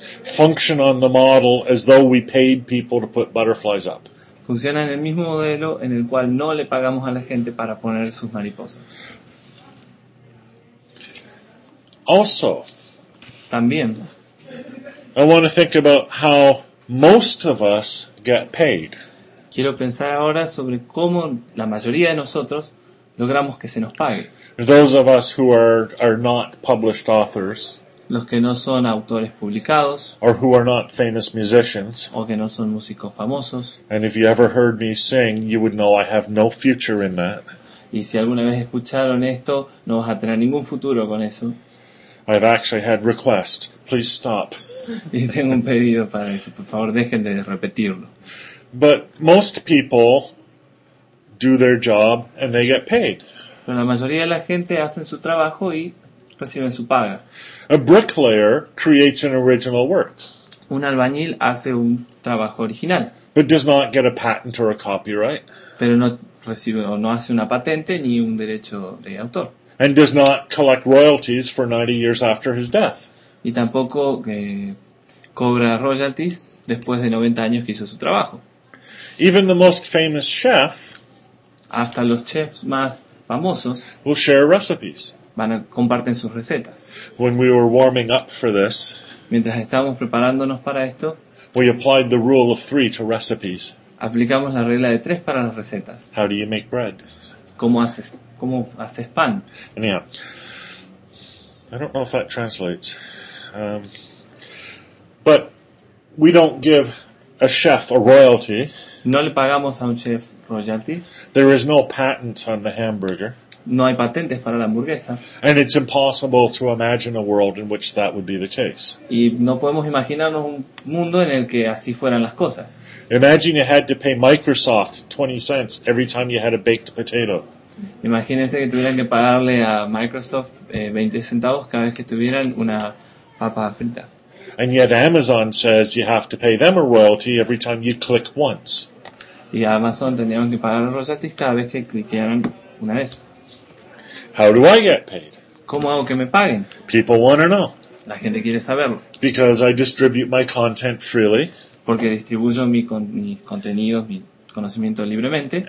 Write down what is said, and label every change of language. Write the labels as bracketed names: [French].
[English] function on the model as though we paid people to put butterflies up. [Spanish] Funciona en el mismo modelo en el cual no le pagamos a la gente para poner sus mariposas. [English] Also, [Spanish] también, [English] I want to think about how most of us get paid. [Spanish] Quiero pensar ahora sobre cómo la mayoría de nosotros logramos que se nos pague. [English] Those of us who are not published authors, [Spanish] los que no son autores publicados, [English] or who are not famous musicians, [Spanish] o que no son músicos famosos. [English] And if you ever heard me sing, you would know I have no future in that. [Spanish] Y si alguna vez escucharon esto, no vas a tener ningún futuro con eso. [English] I've actually had requests. Please stop. [Spanish] Y tengo un pedido para eso. Por favor, dejen de repetirlo. [English] But most people do their job and they get paid. [Spanish] Pero la mayoría de la gente hacen su trabajo y reciben su paga. [English] A bricklayer creates an original work. [Spanish] Un albañil hace un trabajo original. [English] But does not get a patent or a copyright. [Spanish] Pero no recibe o no hace una patente ni un derecho de autor. [English] And does not collect royalties for 90 years after his death. [Spanish] Y tampoco cobra royalties después de 90 años que hizo su trabajo. [English] Even the most famous chef, [Spanish] hasta los chefs más famosos [English] will share recipes. [Spanish] Comparten sus recetas. [English] When we were warming up for this, [Spanish] mientras estábamos preparándonos para esto, [English] we applied the rule of three to recipes. [Spanish] Aplicamos la regla de tres para las recetas. [English] How do you make bread? [Spanish] ¿Cómo haces pan? [English] Anyhow, I don't know if that translates. But we don't give a chef a royalty. [Spanish] No le pagamos a un chef royalties. [English] There is no patent on the hamburger. [Spanish] No hay patentes para la hamburguesa. [English] And it's impossible to imagine a world in which that would be the case. [Spanish] Y no podemos imaginarnos un mundo en el que así fueran las cosas. [English] Imagine you had to pay Microsoft 20 cents every time you had a baked potato. [Spanish] Imagínense que tuvieran que pagarle a Microsoft 20 centavos cada vez que tuvieran una papa frita. [English] And yet Amazon says you have to pay them a royalty every time you click once. [Spanish] Y Amazon tendrían que pagar los royalties cada vez que cliquearan una vez. [English] How do I get paid? [Spanish] ¿Cómo hago que me paguen? [English] People want to know. [Spanish] La gente quiere saberlo. [English] Because I distribute my content freely. [Spanish] Porque distribuyo mis contenidos, mi conocimiento libremente.